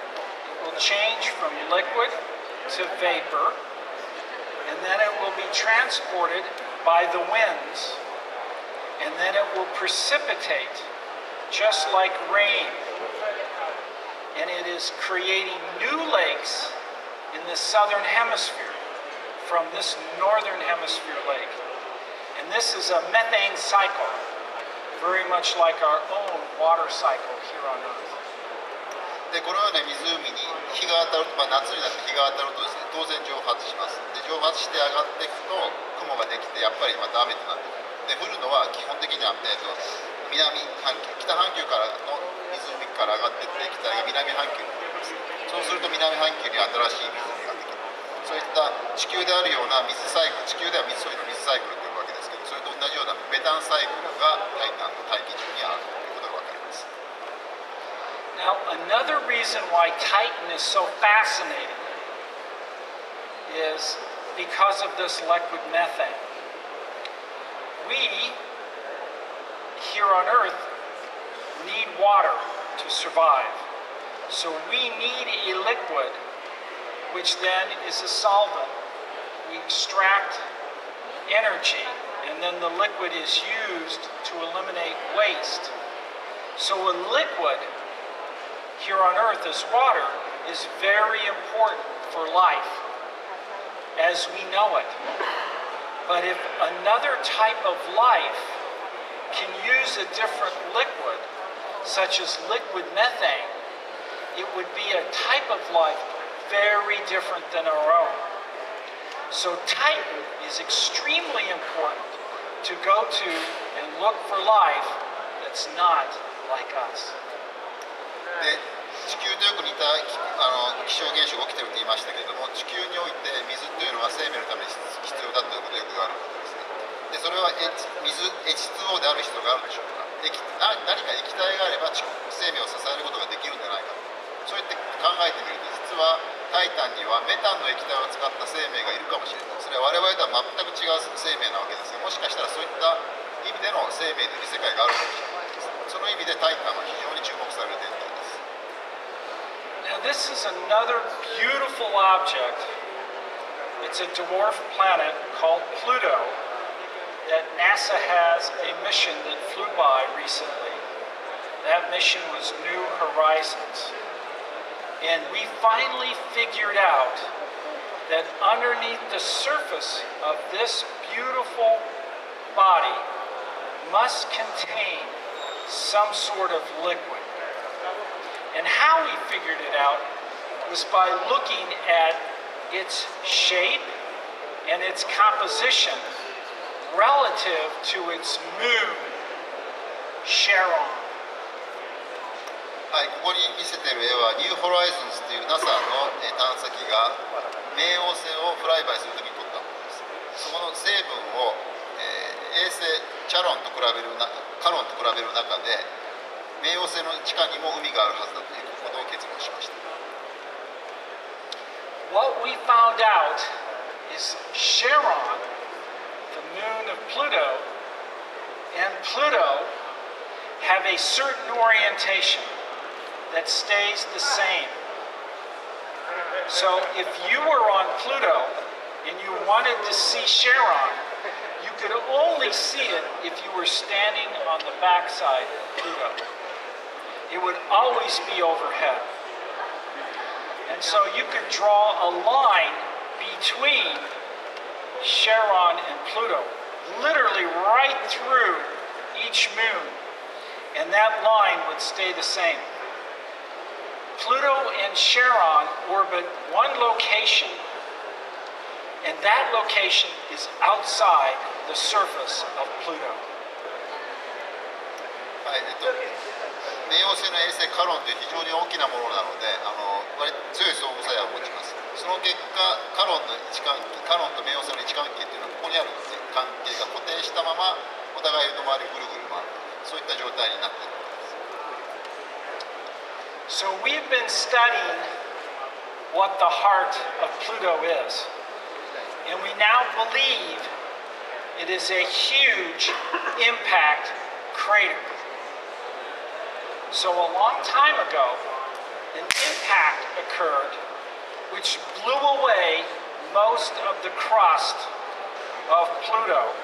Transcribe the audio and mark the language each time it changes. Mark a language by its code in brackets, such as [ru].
[en] It will change from liquid to vapor, and then it will be transported by the winds, and then it will precipitate just like rain, and it is creating new lakes in the southern hemisphere from this northern hemisphere lake, and this is a methane cycle, very much like our own water cycle here on Earth. [ja] でこのような湖に日が当たると、まあ、夏になって日が当たるとですね、当然蒸発します。で蒸発して上がっていくと雲ができて、やっぱりまた雨となってくる。で降るのは基本的には、南半球、北半球からの湖から上がっていって液体が南半球に降ります。そそうすると南半球に新しい水ができる。そういった地球であるような水サイクル、地球では水素の水サイクルというわけですけど、それと同じようなメタンサイクルがタイタンの大気中にあるということがわかります。 [en] Now another reason why Titan is so fascinating is because of this liquid methane. We here on Earth need water to survive. So we need a liquid, which then is a solvent. We extract energy, and then the liquid is used to eliminate waste. So a liquid here on Earth as water is very important for life as we know it. But if another type of life can use a different liquid, such as liquid methane,It would be a type of life very different than our own. So Titan is extremely important to go to and look for life that's not like us. [ja] で、地球とよく似た気象現象が起きていると言いましたけれども、地球において水というのは生命のために必要だということがよくあることですね。で、それは水 H2O である必要があるでしょうか。何か液体があれば生命を支えることができるんじゃないか。そうやって考えてみると、実はタイタンにはメタンの液体を使った生命がいるかもしれない。それは我々とは全く違う生命なわけですが、もしかしたらそういった意味での生命という世界があるかもしれないです。その意味でタイタンは非常に注目される天体です。 [en] Now this is another beautiful object. It's a dwarf planet called Pluto that NASA has a mission that flew by recently. That mission was New Horizons. And we finally figured out that underneath the surface of this beautiful body must contain some sort of liquid. And how we figured it out was by looking at its shape and its composition relative to its moon, Charon. [ja] はい、ここに見せている絵はニューホライズンズという NASA の探査機が冥王星をフライバイするときに撮ったものです。そこの成分を、衛星チャロンと比べるカロンと比べる中で冥王星の地下にも海があるはずだということを結論しました。 [en] What we found out is Charon, the moon of Pluto, and Pluto have a certain orientationthat stays the same. So if you were on Pluto and you wanted to see Charon, you could only see it if you were standing on the backside of Pluto. It would always be overhead. And so you could draw a line between Charon and Pluto, literally right through each moon, and that line would stay the same. Pluto and Charon orbit one location, and that location is outside the surface of Pluto. [ja] はい、冥王星の衛星カロンという非常に大きなものなので、割と強い相互作用を持ちます。その結果、カロンの位置関係、カロンと冥王星の位置関係というのはここにある関係が固定したまま、お互いの周りぐるぐる回る、そういった状態になっています。 [en] So we've been studying what the heart of Pluto is. And we now believe it is a huge impact crater. So a long time ago, an impact occurred which blew away most of the crust of Pluto.